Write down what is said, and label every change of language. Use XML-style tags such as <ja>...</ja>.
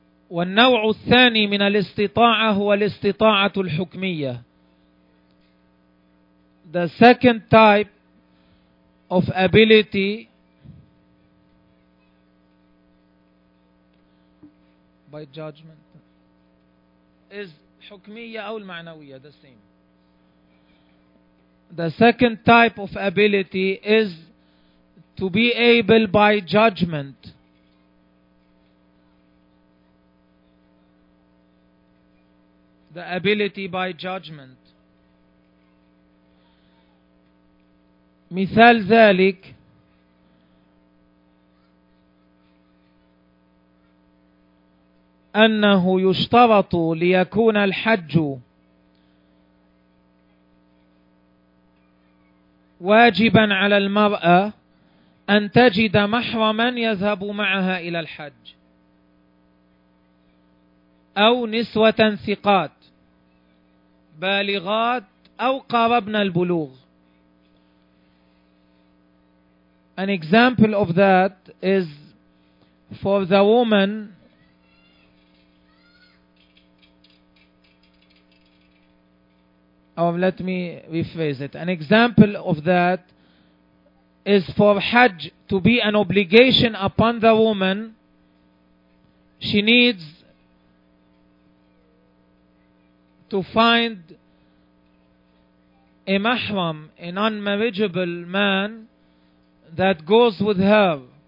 <ar>والنوع الثاني من الاستطاعة هو الاستطاعة الحكمية.</ar> <en>The second type of ability by judgment is</en> <ar>حكمية أو المعنوية,</ar> <en>the same. The second type of ability is to be able by judgment the ability by judgment.</en> <ar>مثال ذلك, أنه يشترط ليكون الحج واجبا على المرأة أن تجد محرما يذهب معها إلى الحج أو نسوة ثقات بالغات أو قاربنا البلوغ.</ar> <en>An example of that is for the woman or let me rephrase it. An example of that is for Hajj to be an obligation upon the woman, she needs to find a mahram, a non-marriageable man that goes with her,</en>